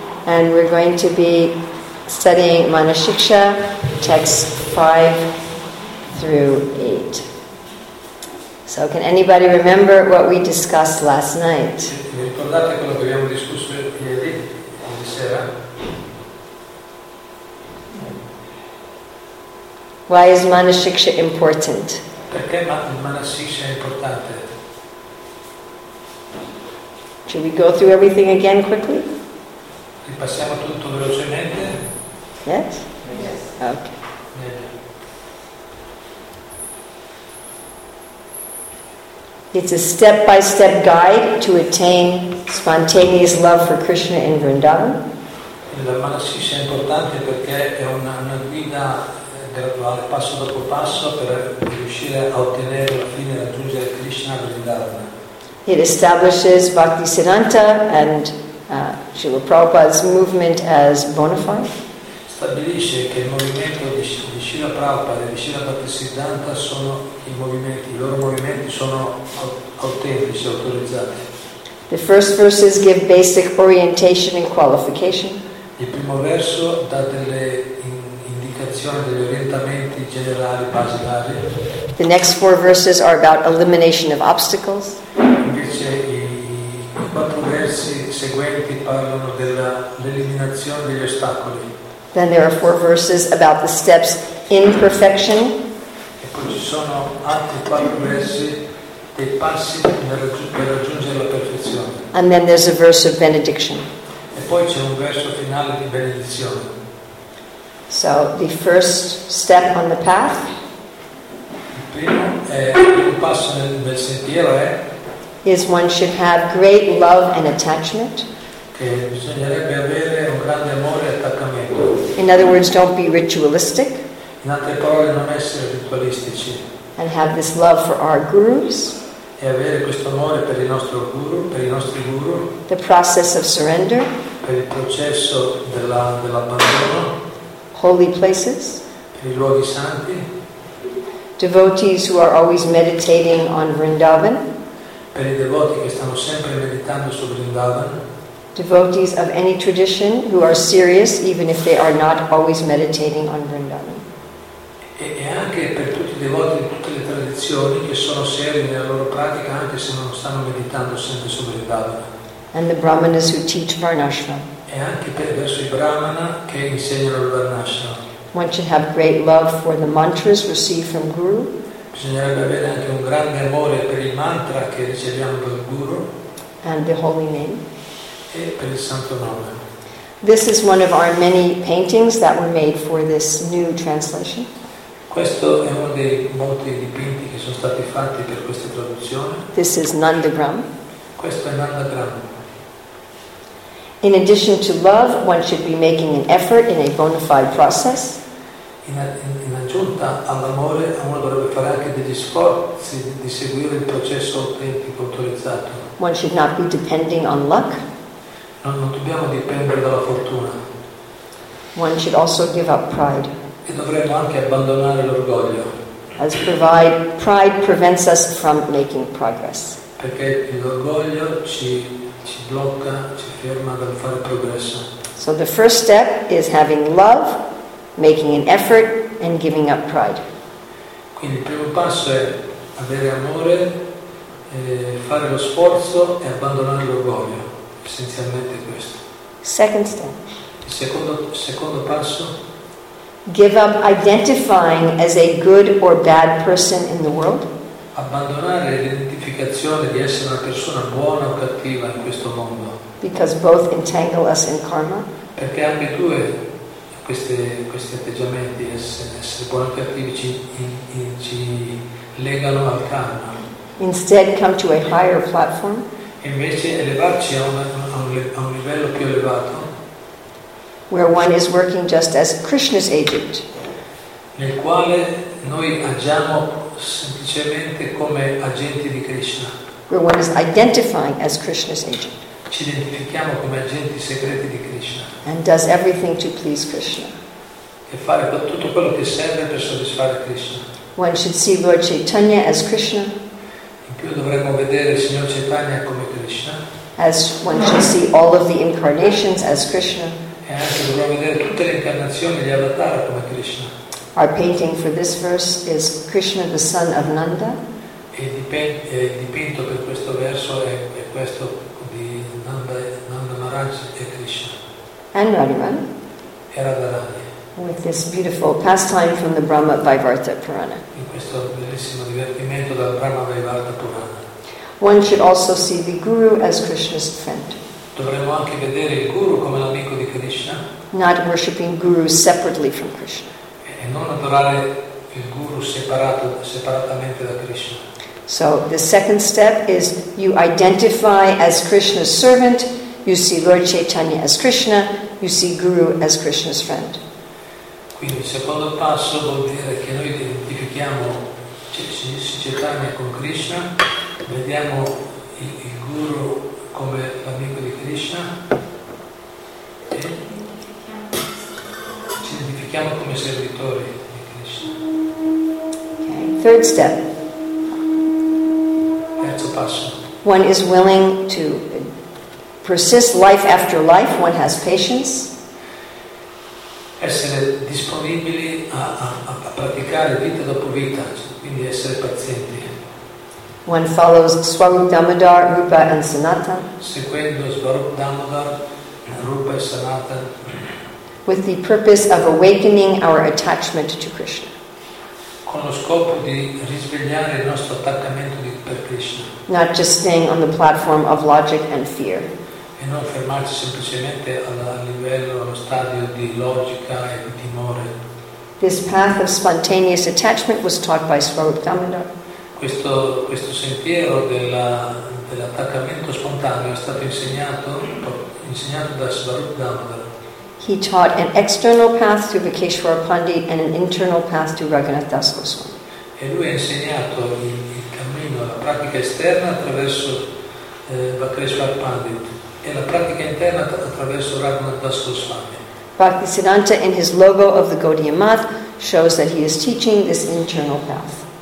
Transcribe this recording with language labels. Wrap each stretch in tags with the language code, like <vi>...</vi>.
<en>And we're going to be studying Manashiksha, texts 5 through 8. So can anybody remember what we discussed last night?</en> <it>Ricordate quello che abbiamo discusso ieri, di sera?</it> <en>Why is Manashiksha important?</en> <it>Perché Manashiksha è importante?</it> <en>Should we go through everything again quickly?</en> <it>Ripassiamo tutto velocemente?</it> <en>Yes? Yes. Okay. It's a step-by-step guide to attain spontaneous love for Krishna in Vrindavan.</en> <it>La Manashiksha è importante perché è una guida graduale, passo dopo passo, per riuscire a ottenere alla fine e raggiungere Krishna in Vrindavan.</it> <en>It establishes Bhakti Siddhanta and Srila Prabhupada's movement as bona fide.</en> <it>Stabilisce che il movimento di Srila Prabhupada e di Srila Bhakti Siddhanta sono i loro movimenti sono autentici, autorizzati.</it> <en>The first verses give basic orientation and qualification.</en> <it>Il primo verso dà delle indicazioni, degli orientamenti generali, basilari.</it> <en>The next four verses are about elimination of obstacles.</en> <it>Invece i quattro versi seguenti parlano dell'eliminazione degli ostacoli.</it> <en>Then there are four verses about the steps in perfection.</en> <it>E poi ci sono altri quattro versi dei passi per raggiungere la perfezione.</it> <en>And then there's a verse of benediction.</en> <it>E poi c'è un verso finale di benedizione.</it> <en>So the first step on the path.</en> <it>Il primo è un passo nel sentiero è.</it> <en>Is one should have great love and attachment.</en> <it>Che bisognerebbe avere un grande amore e attaccamento.</it> <en>In other words, don't be ritualistic.</en> <it>In altre parole, non essere ritualistici.</it> <en>And have this love for our gurus.</en> <it>E avere questo amore per il nostro guru, per i nostri guru.</it> <en>The process of surrender.</en> <it>Per il processo dell'abbandono.</it> <en>Holy places.</en> <it>Per i luoghi santi.</it> <en>Devotees who are always meditating on Vrindavan.</en> <it>Per i devoti che stanno sempre meditando su Vrindavan.</it> <en>Devotees of any tradition who are serious even if they are not always meditating on Vrindavan.</en> <it>E anche per tutti i devoti di tutte le tradizioni che sono seri nella loro pratica anche se non stanno meditando sempre su Vrindavan.</it> <en>And the brahmanas who teach Varnashram.</en> <it>E anche per verso i brahmana che insegnano il Varnashram.</it> <en>One should have great love for the mantras received from Guru.</en> <it>Bisognerebbe avere anche un grande amore per il mantra che riceviamo dal Guru.</it> <en>And the holy name.</en> <it>E per il santo nome.</it> <en>This is one of our many paintings that were made for this new translation.</en> <it>Questo è uno dei molti dipinti che sono stati fatti per questa traduzione.</it> <en>This is Nandagram.</en> <it>Questo è Nandagram.</it> <en>In addition to love, one should be making an effort in a bona fide process.</en> <it>In aggiunta all'amore, uno dovrebbe fare anche degli sforzi di seguire il processo autentico autorizzato.</it> <en>One should not be depending on luck.</en> <it>Non dobbiamo dipendere dalla fortuna.</it> <en>One should also give up pride.</en> <it>E dovremmo anche abbandonare l'orgoglio.</it> <en>As provide, pride prevents us from making progress.</en> <it>Perché l'orgoglio ci blocca, ci ferma dal fare progresso.</it> <en>So the first step is having love, making an effort and giving up pride.</en> <it>Quindi il primo passo è avere amore, fare lo sforzo e abbandonare l'orgoglio. Essenzialmente questo.</it> <en>Second step.</en> <it>Il secondo passo.</it> <en>Give up identifying as a good or bad person in the world.</en> <it>Abbandonare l'identificazione di essere una persona buona o cattiva in questo mondo.</it> <en>Because both entangle us in karma.</en> <it>Perché anche due. Questi atteggiamenti, essere buoni o cattivi, ci legano al karma.</it> <en>Instead, come to a higher platform.</en> <it>Invece, elevarci a un livello più elevato.</it> <en>Where one is working just as Krishna's agent.</en> <it>Nel quale noi agiamo semplicemente come agenti di Krishna.</it> <en>Where one is identifying as Krishna's agent.</en> <it>Ci identifichiamo come agenti segreti di Krishna.</it> <en>And does everything to please Krishna.</en> <it>E fare tutto quello che serve per soddisfare Krishna.</it> <en>One should see Lord Chaitanya as Krishna.</en> <it>più dovremmo vedere il Signor Chaitanya come Krishna.</it> <en>As one should see all of the incarnations as Krishna.</en> <it>E anche dovremmo vedere tutte le incarnazioni, gli avatar come Krishna.</it> <en>Our painting for this verse is Krishna, the son of Nanda.</en> <it>Il dipinto per questo verso è questo di Nanda Maharaj e Krishna.</it> <en>And Radharani.</en> <it>E Radharani.</it> <en>With this beautiful pastime from the Brahma Vaivarta Purana.</en> <it>In questo bellissimo divertimento dal Brahma Vaivarta Purana.</it> <en>One should also see the Guru as Krishna's friend.</en> <it>Dovremmo anche vedere il Guru come l'amico di Krishna.</it> <en>Not worshipping Guru separately from Krishna.</en> <it>E non adorare il Guru separatamente da Krishna.</it> <en>So the second step is you identify as Krishna's servant, you see Lord Chaitanya as Krishna, you see Guru as Krishna's friend.</en> <it>Quindi il secondo passo vuol dire che noi identifichiamo Chaitanya con Krishna, vediamo il Guru come l'amico di Krishna e ci identifichiamo come servitori di Krishna.</it> <en>Okay. Third step.</en> <it>Terzo passo.</it> <en>One is willing to persist life after life, one has patience.</en> <it>Essere disponibili a praticare vita dopo vita, cioè, quindi essere pazienti.</it> <en>One follows Swarup Damodar, Rupa and Sanatan.</en> <it>Seguendo Swarup Damodar, Rupa e Sanatan.</it> <en>With the purpose of awakening our attachment to Krishna.</en> <it>Con lo scopo di risvegliare il nostro attaccamento per Krishna.</it> <en>Not just staying on the platform of logic and fear.</en> <it>E non fermarci semplicemente al livello, allo stadio di logica e di timore.</it> <en>This path of spontaneous attachment was taught by Swarup Damodar.</en> <it>Questo sentiero dell'attaccamento spontaneo è stato insegnato da Swarup Damodar.</it> <en>He taught an external path to Vakeshwara Pandit and an internal path to Raghunath Das Goswami.</en> <it>E lui ha insegnato il cammino, la pratica esterna attraverso Vakeshwara Pandit. E la pratica interna attraverso Raghunath Das Goswami.</it> <en>Bhaktisiddhanta in his logo of the Gaudiya Math shows that he is teaching this internal path.</en>